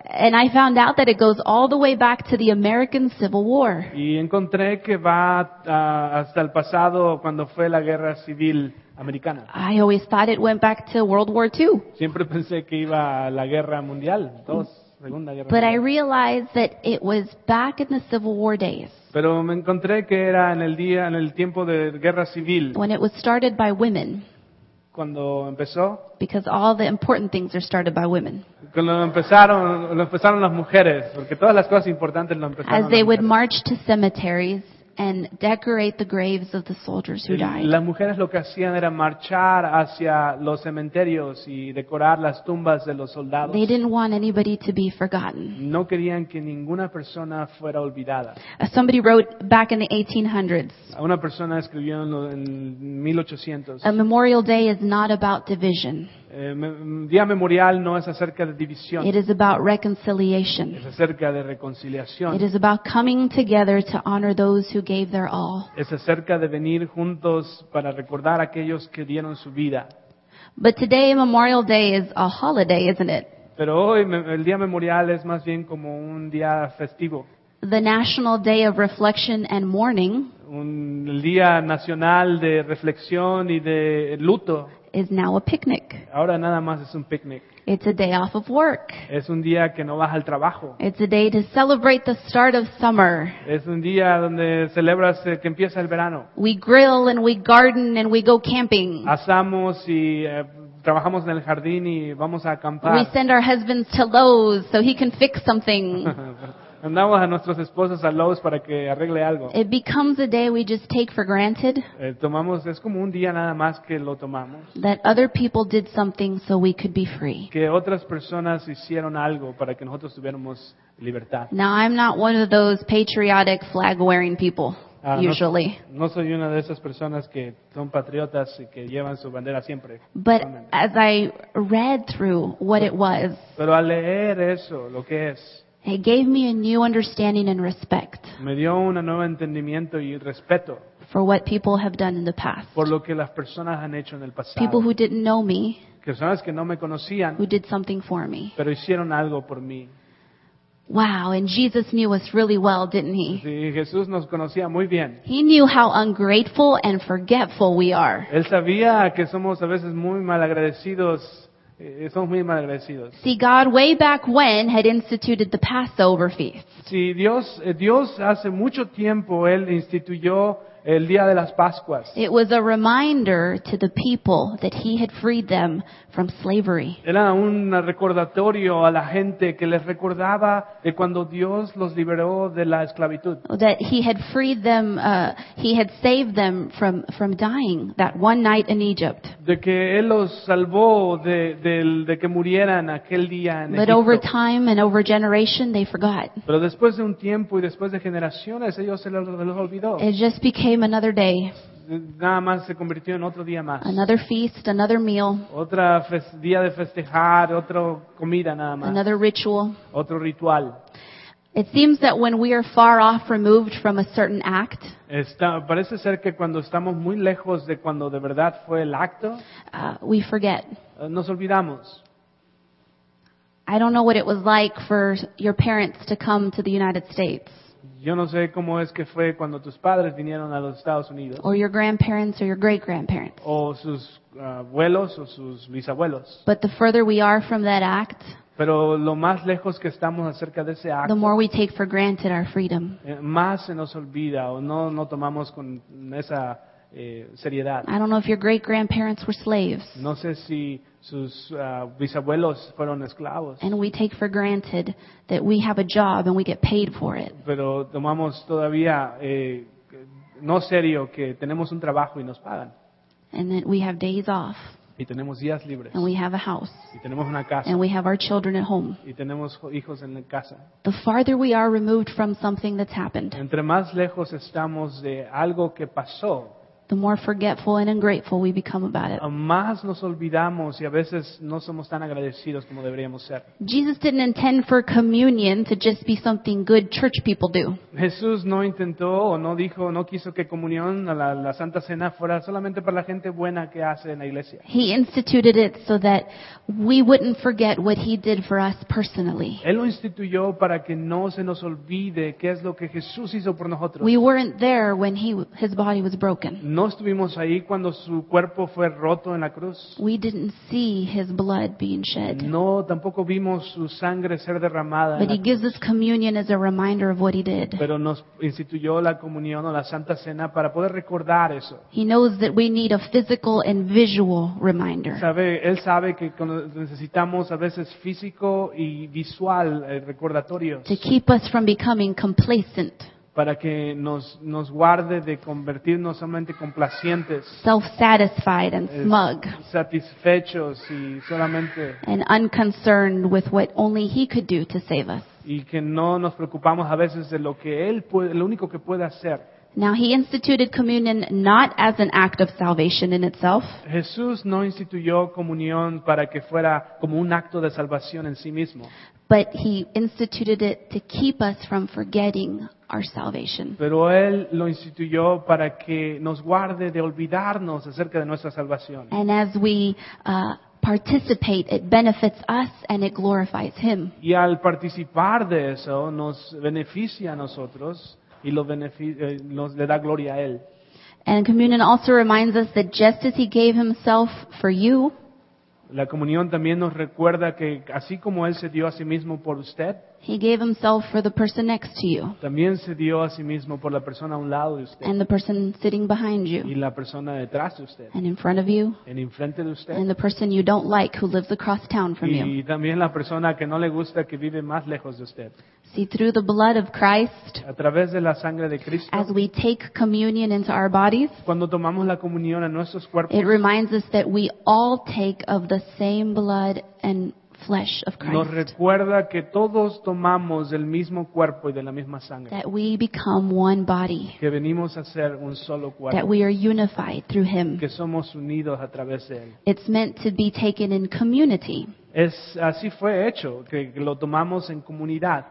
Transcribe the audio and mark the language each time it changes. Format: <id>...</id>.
<en>And I found out that it goes all the way back to the American Civil War.</en> <es>Y encontré que va hasta el pasado cuando fue la Guerra Civil Americana.</es> <en>I always thought it went back to World War II.</en> <es>Siempre pensé que iba a la Guerra Mundial II.</es> <en>But I realized that it was back in the Civil War days.</en> <es>Pero me encontré que era en el tiempo de guerra civil.</es> <en>When it was started by women.</en> <es>cuando empezó.</es> <en>Because all the important things are started by women.</en> <es>Cuando empezaron las mujeres, porque todas las cosas importantes lo empezaron.</es> <en>As they would march to cemeteries and decorate the graves of the soldiers who died.</en> <es>Las mujeres lo que hacían era marchar hacia los cementerios y decorar las tumbas de los soldados.</es> <en>They didn't want anybody to be forgotten.</en> <es>No querían que ninguna persona fuera olvidada.</es> <en>Somebody wrote back in the 1800s.</en> <es>Una persona escribió en 1800.</es> <en>A Memorial Day is not about division.</en> <es>Día Memorial no es acerca de división.</es> <en>It is about reconciliation.</en> <es>Es acerca de reconciliación.</es> <en>It is about coming together to honor those who gave their all.</en> <es>Es acerca de venir juntos para recordar a aquellos que dieron su vida.</es> <en>But today Memorial Day is a holiday, isn't it?</en> <es>Pero hoy el Día Memorial es más bien como un día festivo.</es> <en>The National Day of Reflection and Mourning.</en> <es>Un día nacional de reflexión y de luto.</es> <en>Is now a picnic.</en> <es>Ahora nada más es un picnic.</es> <en>It's a day off of work.</en> <es>Es un día que no vas al trabajo.</es> <en>It's a day to celebrate the start of summer.</en> <es>Es un día donde celebras que empieza el verano.</es> <en>We grill and we garden and we go camping.</en> <es>Asamos y trabajamos en el jardín y vamos a acampar.</es> <en>We send our husbands to Lowe's so he can fix something.</en> <es>Mandamos a nuestros esposos a Lowe's para que arregle algo.</es> <en>It becomes a day we just take for granted.</en> <es>Tomamos, es como un día nada más que lo tomamos.</es> <en>That other people did something so we could be free.</en> <es>Que otras personas hicieron algo para que nosotros tuviéramos libertad.</es> <en>Now I'm not one of those patriotic flag wearing people. Usually.</en> <es>No soy una de esas personas que son patriotas y que llevan su bandera siempre.</es> <en>But as I read through what it was.</en> <es>Pero al leer eso, lo que es.</es> <en>It gave me a new understanding and respect.</en> <es>Me dio un nuevo entendimiento y respeto.</es> <en>For what people have done in the past.</en> <es>Por lo que las personas han hecho en el pasado.</es> <en>People who didn't know me.</en> <es>Personas que no me conocían.</es> <en>Who did something for me.</en> <es>Pero hicieron algo por mí.</es> <en>Wow, and Jesus knew us really well, didn't he?</en> <es>Sí, Jesús nos conocía muy bien.</es> <en>He knew how ungrateful and forgetful we are.</en> <es>Él sabía que somos a veces muy malagradecidos. Somos muy mal agradecidos.</es> <en>See, God way back when had instituted the Passover feast.</en> <es>Sí, Dios hace mucho tiempo él instituyó el día de las Pascuas.</es> <en>It was a reminder to the people that he had freed them from slavery.</en> <es>Era un recordatorio a la gente que les recordaba de cuando Dios los liberó de la esclavitud.</es> <en>That he had freed them, he had saved them from dying that one night in Egypt.</en> <es>De que él los salvó de que murieran aquel día en Egipto.</es> <en>But over time and over generation they forgot.</en> <es>Pero después de un tiempo y después de generaciones ellos se los olvidó.</es> <en>It just became another day.</en> <es>Nada más se convirtió en otro día más.</es> <en>Another feast, another meal.</en> <es>Otro día de festejar, otra comida nada más.</es> <en>Another ritual.</en> <es>Otro ritual.</es> <en>It seems that when we are far off removed from a certain act,</en> <es>parece ser que cuando estamos muy lejos de cuando de verdad fue el acto,</es> <en>we forget.</en> <es>Nos olvidamos.</es> <en>I don't know what it was like for your parents to come to the United States.</en> <es>Yo no sé cómo es que fue cuando tus padres vinieron a los Estados Unidos.</es> <en>Or your grandparents or your great-grandparents.</en> <es>O sus abuelos o sus bisabuelos.</es> <en>But the further we are from that act,</en> <es>pero lo más lejos que estamos acerca de ese acto,</es> <en>the more we take for granted our freedom.</en> <es>Más se nos olvida o no tomamos con esa seriedad.</es> <en>I don't know if your great-grandparents were slaves.</en> <es>No sé si sus bisabuelos fueron esclavos.</es> <en>And we take for granted that we have a job and we get paid for it.</en> <es>Pero tomamos todavía no serio que tenemos un trabajo y nos pagan.</es> <en>And that we have days off.</en> <es>Y tenemos días libres.</es> <en>And we have a house.</en> <es>Y tenemos una casa.</es> <en>And we have our children at home.</en> <es>Y tenemos hijos en la casa.</es> <en>The farther we are removed from something that's happened,</en> <es>entre más lejos estamos de algo que pasó,</es> <en>the more forgetful and ungrateful we become about it.</en> <es>Más nos olvidamos y a veces no somos tan agradecidos como deberíamos ser.</es> <en>Jesus didn't intend for communion to just be something good church people do.</en> <es>Jesús no intentó o no dijo, no quiso que comunión a la Santa Cena fuera solamente para la gente buena que hace en la iglesia.</es> <en>He instituted it so that we wouldn't forget what he did for us personally.</en> <es>Él lo instituyó para que no se nos olvide qué es lo que Jesús hizo por nosotros.</es> <en>We weren't there when his body was broken.</en> <es>No estuvimos ahí cuando su cuerpo fue roto en la cruz.</es> <en>We didn't see his blood being shed.</en> <es>No, tampoco vimos su sangre ser derramada.</es> <en>But he gives us communion as a reminder of what he did.</en> <es>Pero nos instituyó la comunión o la Santa Cena para poder recordar eso.</es> <en>He knows that we need a physical and visual reminder.</en> <es>Sabe, él sabe que necesitamos a veces físico y visual recordatorios.</es> <en>To keep us from becoming complacent.</en> <es>Para que nos guarde de convertirnos solamente complacientes,</es> <en>self-satisfied and smug,</en> <es>satisfechos y solamente,</es> <en>and unconcerned with what only he could do to save us.</en> <es>Y que no nos preocupamos a veces de lo que él puede, lo único que puede hacer.</es> <en>Now he instituted communion not as an act of salvation in itself.</en> <es>Jesús no instituyó comunión para que fuera como un acto de salvación en sí mismo.</es> <en>But he instituted it to keep us from forgetting our salvation.</en> <es>Pero él lo instituyó para que nos guarde de olvidarnos acerca de nuestra salvación.</es> <en>And as we participate, it benefits us and it glorifies him.</en> <es>Y al participar de eso, nos beneficia a nosotros y le da gloria a él.</es> <en>And communion also reminds us that just as he gave himself for you,</en> <es>la comunión también nos recuerda que así como él se dio a sí mismo por usted,</es> <en>he gave himself for the person next to you.</en> <es>También se dio a sí mismo por la persona a un lado de usted.</es> <en>And the person sitting behind you.</en> <es>Y la persona detrás de usted.</es> <en>And in front of you.</en> <es>En enfrente de usted.</es> <en>And the person you don't like who lives across town from you.</en> <es>Y también la persona que no le gusta que vive más lejos de usted.</es> <en>See, through the blood of Christ,</en> <es>a través de la sangre de Cristo,</es> <en>as we take communion into our bodies,</en> <es>cuando tomamos la comunión en nuestros cuerpos,</es> <en>it reminds us that we all take of the same blood and flesh of Christ.</en> <es>Nos recuerda que todos tomamos del mismo cuerpo y de la misma sangre.</es> <en>That we become one body.</en> <es>Que venimos a ser un solo cuerpo.</es> <en>That we are unified through him.</en> <es>Que somos unidos a través de él.</es> <en>It's meant to be taken in community.</en> <es>Es así fue hecho, que lo tomamos en comunidad.</es>